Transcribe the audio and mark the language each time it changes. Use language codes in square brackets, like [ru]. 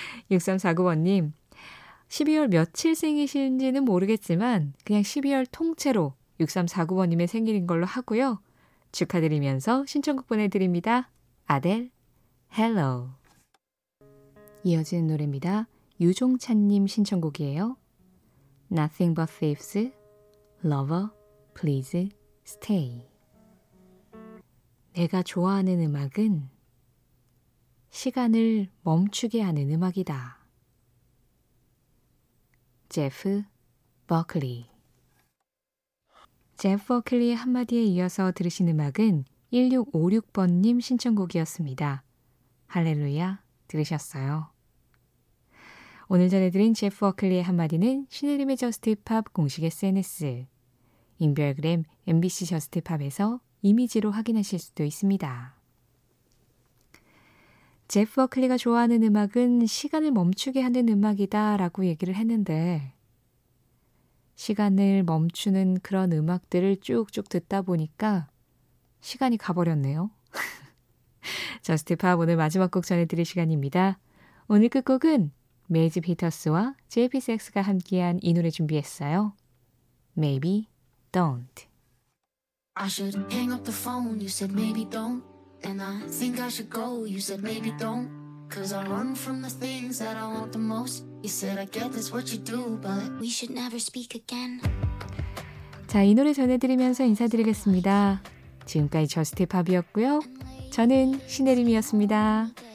[ko] 6349번님, 12월 며칠 생이신지는 모르겠지만 그냥 12월 통째로 6349번님의 생일인 걸로 하고요. 축하드리면서 신청곡 보내드립니다. 아델, Hello. 이어지는 노래입니다. 유종찬님 신청곡이에요. [en] Nothing but thieves, lover, please stay. [ko] 내가 좋아하는 음악은 시간을 멈추게 하는 음악이다. 제프 버클리. 제프 버클리의 한마디에 이어서 들으신 음악은 1656번님 신청곡이었습니다. 할렐루야 들으셨어요. 오늘 전해드린 제프 워클리의 한마디는 신혜림의 저스트팝 공식 SNS, 인별그램 MBC 저스트팝에서 이미지로 확인하실 수도 있습니다. 제프 워클리가 좋아하는 음악은 시간을 멈추게 하는 음악이다 라고 얘기를 했는데 시간을 멈추는 그런 음악들을 쭉쭉 듣다 보니까 시간이 가버렸네요. 저스트팝 오늘 마지막 곡 전해드릴 시간입니다. 오늘 끝곡은 메이지 피터스와 JP6X가 함께한 이 노래 준비했어요. [en] Maybe Don't. I should hang up the phone, you said maybe don't. And I think I should go, you said maybe don't. Cause I run from the things that I want the most. You said I get this what you do, but we should never speak again. [ko] 자, 이 노래 전해드리면서 인사드리겠습니다. 지금까지 저스트팝이었고요. 저는 신혜림이었습니다.